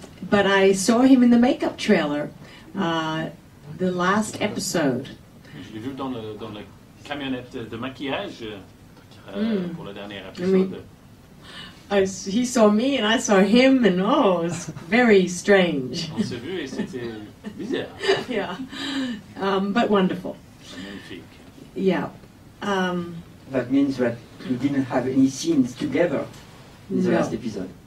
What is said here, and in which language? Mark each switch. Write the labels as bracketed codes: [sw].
[en] But I saw him in the makeup trailer, the last episode. [fr] Je l'ai vu dans la camionnette de maquillage pour le dernier épisode. [en] He saw me and I saw him, and oh, it was very strange. [fr] On s'est vu et c'était bizarre. [en] Yeah, but wonderful. [fr] Magnifique. [en] Yeah. That means that we didn't have any scenes together in the last episode.